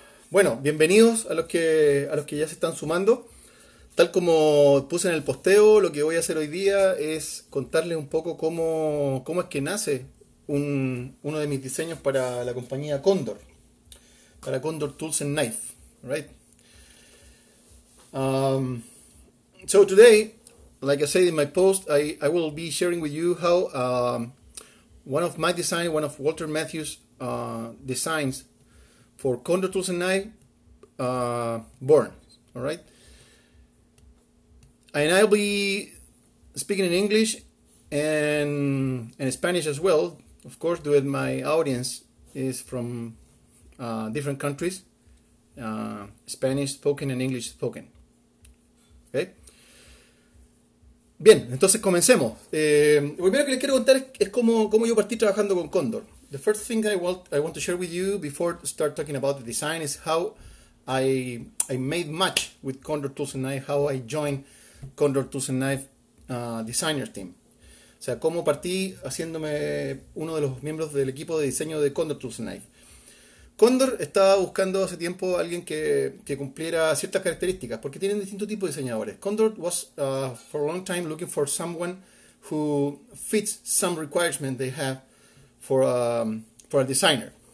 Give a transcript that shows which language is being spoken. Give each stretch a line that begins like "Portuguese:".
Spanish: Bueno, bienvenidos a los que ya se están sumando. Tal como puse en el posteo, lo que voy a hacer hoy día es contarles un poco cómo es que nace uno de mis diseños para la compañía Condor, para Condor Tools and Knife, ¿right?
English: So today, like I said in my post, I will be sharing with you how one of my design, one of Walter Matthews' designs for Condor Tools and Knife, born. All right. And I'll be speaking in English and Spanish as well, of course, due to my audience is from different countries, Spanish spoken and English spoken. Okay.
Spanish: Bien, entonces comencemos. Lo primero que les quiero contar es cómo yo partí trabajando con Condor.
English: The first thing I want to share with you before start talking about the design is how I made match with Condor Tools and Knife, how I joined Condor Tools and Knife designer team.
Spanish: O sea, cómo partí haciéndome uno de los miembros del equipo de diseño de Condor Tools and Knife. Condor estaba buscando hace tiempo a alguien que cumpliera ciertas características, porque tienen distintos tipos de diseñadores.
English: Condor was for a long time looking for someone who fits some requirement they have for a designer.